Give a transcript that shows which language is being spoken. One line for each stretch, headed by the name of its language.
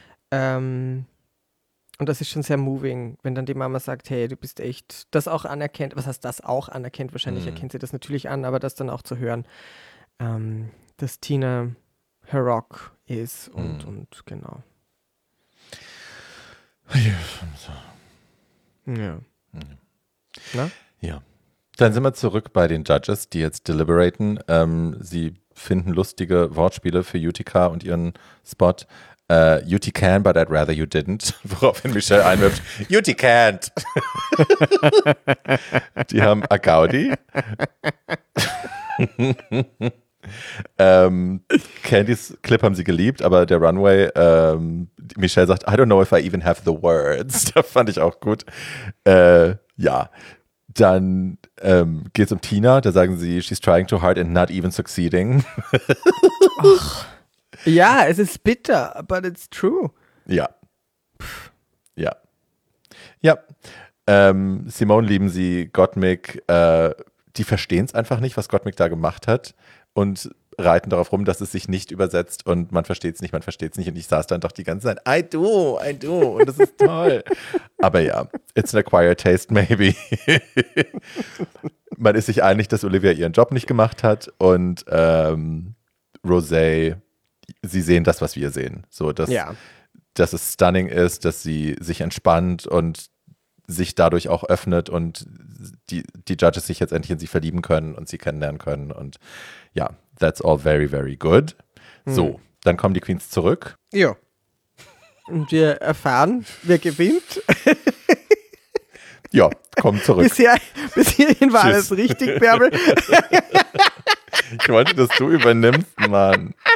German: Und das ist schon sehr moving, wenn dann die Mama sagt, hey, du bist echt, das auch anerkennt, was heißt das auch anerkennt, wahrscheinlich erkennt sie das natürlich an, aber das dann auch zu hören, dass Tina her Rock ist und genau. Ja. Ja. Na? Ja. Dann sind wir zurück bei den Judges, die jetzt deliberaten. Sie finden lustige Wortspiele für Utica und ihren Spot.
English: UT can, but I'd rather you didn't.
German: Woraufhin Michelle einwirft, UT can't. Die haben a Gaudi. Candys Clip haben sie geliebt, aber der Runway, Michelle sagt, I don't know if I even have the words. Da fand ich auch gut. Ja, dann geht es um Tina, da sagen sie, she's trying too hard and not even succeeding. Ach. Ja, es ist bitter, but it's true. Ja. Ja. Ja. Simone lieben sie, Gottmik, die verstehen es einfach nicht, was Gottmik da gemacht hat und reiten darauf rum, dass es sich nicht übersetzt und man versteht es nicht, man versteht es nicht. Und ich saß dann doch die ganze Zeit, I do, und das ist toll.
English: Aber ja, it's an acquired taste, maybe.
German: Man ist sich einig, dass Olivia ihren Job nicht gemacht hat und Rosé, sie sehen das, was wir sehen. So, dass, ja, dass es stunning ist, dass sie sich entspannt und sich dadurch auch öffnet und die Judges sich jetzt endlich in sie verlieben können und sie kennenlernen können.
English: Und ja, that's all very, very good. Hm.
German: So, dann kommen die Queens zurück. Ja. Und wir erfahren, wer gewinnt. Ja, kommen zurück. Bis hierhin war alles richtig, Bärbel. Ich wollte, dass du übernimmst, Mann.